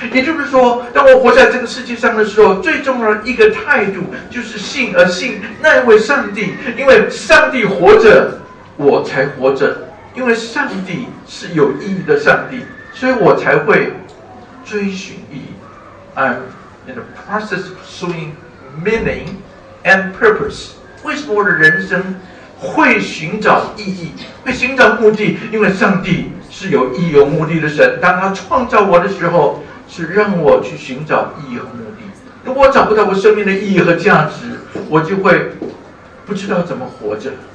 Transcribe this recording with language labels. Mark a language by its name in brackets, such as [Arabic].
[Chinese] 也就是说，当我活在这个世界上的时候，最重要的一个态度就是信，而信那一位上帝。因为上帝活着，我才活着；因为上帝是有意义的上帝，所以我才会追寻意义。 [English] I'm in the process of pursuing meaning and purpose。 [Chinese] 为什么我的人生会寻找意义，会寻找目的？因为上帝是有意义有目的的神，当他创造我的时候，是让我去寻找意义和目的。如果我找不到我生命的意义和价值，我就会不知道怎么活着。